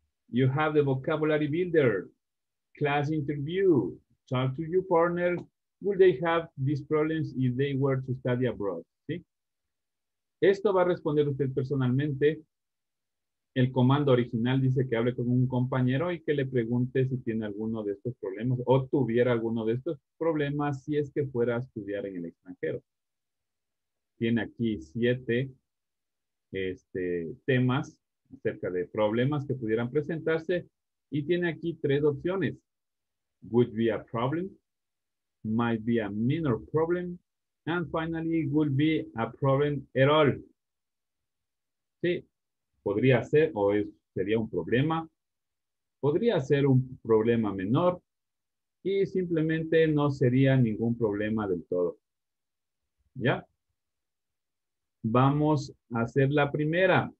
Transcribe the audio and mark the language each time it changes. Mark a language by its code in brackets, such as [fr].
[en] You have the vocabulary builder, class interview, talk to your partner. Will they have these problems if they were to study abroad? [es] ¿Sí? Esto va a responder usted personalmente. El comando original dice que hable con un compañero y que le pregunte si tiene alguno de estos problemas o tuviera alguno de estos problemas si es que fuera a estudiar en el extranjero. Tiene aquí 7 temas acerca de problemas que pudieran presentarse y tiene aquí 3 opciones. [en] Would be a problem, might be a minor problem, and finally, would be a problem at all. [es] Sí, podría ser o es, sería un problema, podría ser un problema menor y simplemente no sería ningún problema del todo. ¿Ya? Vamos a hacer la primera.